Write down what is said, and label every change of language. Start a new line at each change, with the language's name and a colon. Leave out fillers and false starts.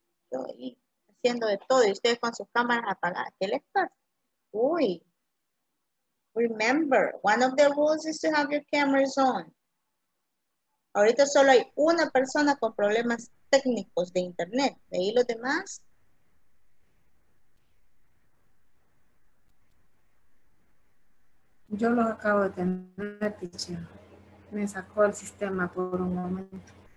Spanish: Estoy haciendo de todo y ustedes con sus cámaras apagadas. ¿Qué les pasa?
English: Uy, remember, one of the rules is to have your cameras on.
Spanish: Ahorita solo hay una persona con problemas técnicos de internet. ¿De ahí los demás? Yo los acabo de tener, teacher. Me sacó el sistema por un momento.